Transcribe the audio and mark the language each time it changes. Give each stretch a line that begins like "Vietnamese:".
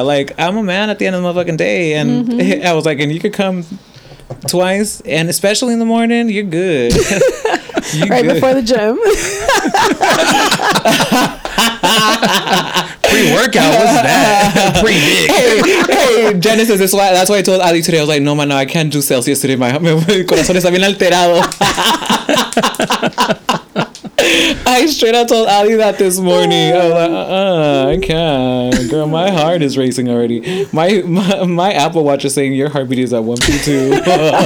English: Like, I'm a man at the end of the motherfucking day. And mm-hmm. I was like, and you could come twice. And especially in the morning, you're good. You're right good. Before the gym. Pre-workout, what's that? Pre-dick. Hey, Genesis, that's why I told Ali today. I was like, no, I can't do Celsius today.
Spanish: My corazón está bien alterado.
English: I straight up told Ali that this morning. I was like, I can't. Girl, my heart is racing already. My Apple Watch is saying your heartbeat is at 1P2.